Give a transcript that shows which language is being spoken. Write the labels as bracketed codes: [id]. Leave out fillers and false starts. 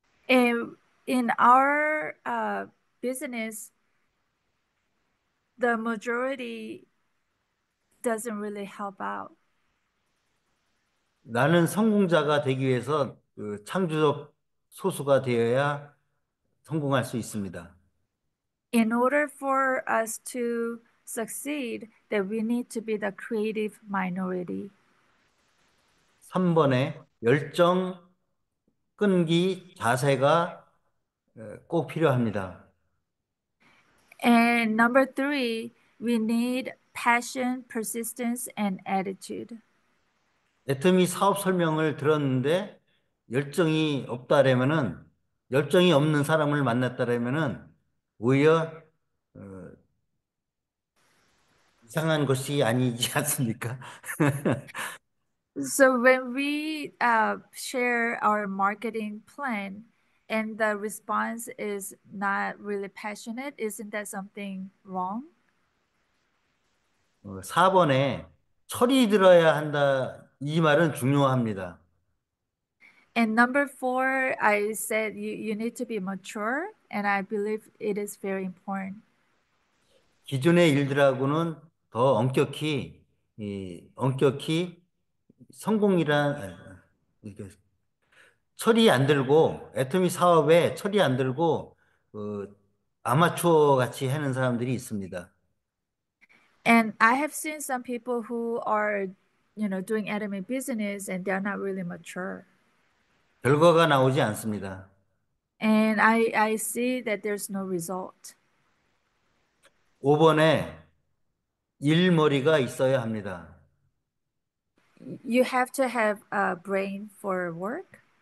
[en] And in our business, the majority doesn't really help out. [ko] 나는 성공자가 되기 위해서 창조적 소수가 되어야 성공할 수 있습니다. [en] In order for us to succeed, that we need to be the creative minority. [ko] 3번에 열정, 끈기, 자세가 꼭 필요합니다. [en] And number three, we need passion, persistence, and attitude. [ko] 애터미 사업 설명을 들었는데 열정이 없다라면은 열정이 없는 사람을 만났다라면은 오히려 이상한 것이 아니지 않습니까? [en] So when we share our marketing plan and the response is not really passionate, isn't that something wrong? [ko] 4번에 철이 들어야 한다. 이 말은 중요합니다. [en] And number four, I said you need to be mature, and I believe it is very important. [ko] 기존의 일들하고는 더 엄격히 성공이란 이게 철이 안 들고 애터미 사업에 철이 안 들고 아마추어 같이 하는 사람들이 있습니다. [en] And I have seen some people who are, doing anime business, and they're not really mature. [ko] 결과가 나오지 않습니다. [en] And I see that there's no result. [ko] 5번에 일머리가 있어야 합니다. [en] You have to have a brain for work.